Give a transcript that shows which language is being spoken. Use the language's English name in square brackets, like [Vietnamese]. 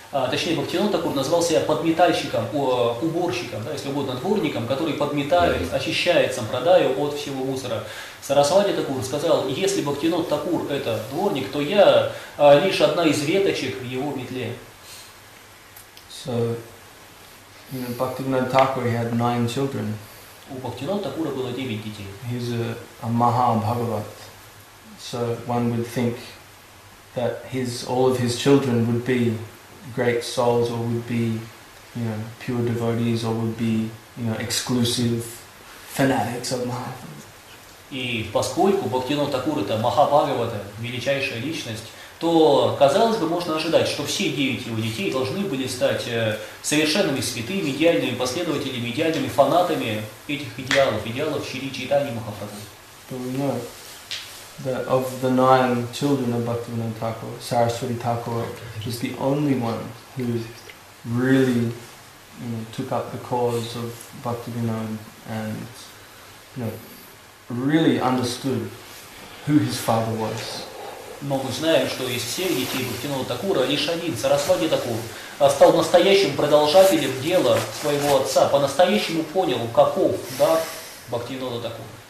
[Russian] Точнее, Бхактивинода Такур назвал себя подметальщиком, уборщиком, да, если угодно, дворником, который подметает, очищает сампрадаю от всего мусора. Сарасвати Такур сказал, если Бхактивинода Такур – это дворник, то я лишь одна из веточек в его метле. [English] So, you know, Bhaktivinoda Thakur, he had 9 children. [Russian] У Бхактивинода Такура было 9 детей. [English] He's a Mahābhāgavat. So one would think that all of his children would be great souls, or would be, you know, pure devotees, or would be, you know, exclusive fanatics of Mahābhāgavata. [Russian] И поскольку Бхактивинода Такура – это Mahābhāgavata, величайшая личность, то, казалось бы, можно ожидать, что все 9 его детей должны были стать совершенными святыми, идеальными последователями, идеальными фанатами этих идеалов, идеалов Шри Чайтанья Махапрабху. [English] But we know that of the 9 children of Bhaktivinoda Thakur, Sarasvati Thakur is the only one who really, you know, took up the cause of Bhaktivinoda and, you know, really understood who his father was. [Russian] но мы знаем, что из всех детей Бхактинода Такура лишь один, Сарасвати Такур, стал настоящим продолжателем дела своего отца, по-настоящему понял, каков дар Бхактинода Такура.